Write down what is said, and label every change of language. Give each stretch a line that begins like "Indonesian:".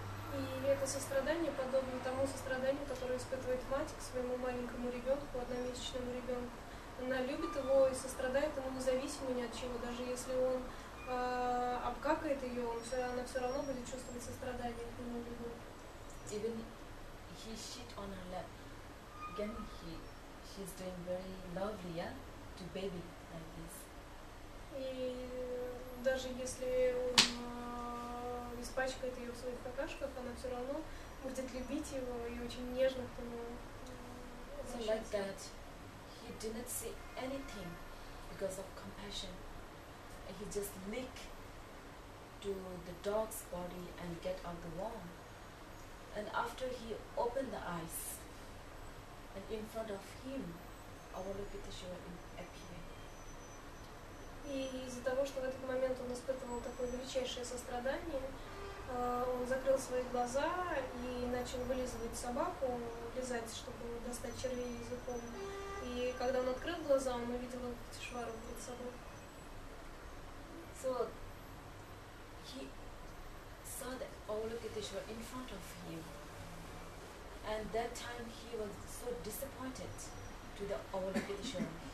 Russian: И это сострадание подобно тому состраданию, которое испытывает мать к своему маленькому ребенку, одномесячному ребенку. Она любит его и сострадает ему независимо ни от чего. Даже если он обкакает ее, она все равно будет чувствовать сострадание к нему ребенку.
English: Even he shit on her lap. Again, she's doing very lovely, yeah, to baby like this.
Russian: И даже если он испачкает ее в своих какашках, она все равно будет любить его и очень нежно к нему.
English: So like that, he did not say anything because of compassion. He just lick to the dog's body and get out the worm. And after he opened the eyes. And in front of him, Avalokiteshvara appeared.
Russian: И из-за того, что в этот момент он испытывал такое величайшее сострадание, он закрыл свои глаза и начал вылизывать собаку, лизать, чтобы достать червей языком. И когда он открыл глаза, он увидел Авалокитешвару перед собой.
English: So he saw that Avalokiteshvara in front of him. And that time he was so disappointed to the Avalokiteshvara.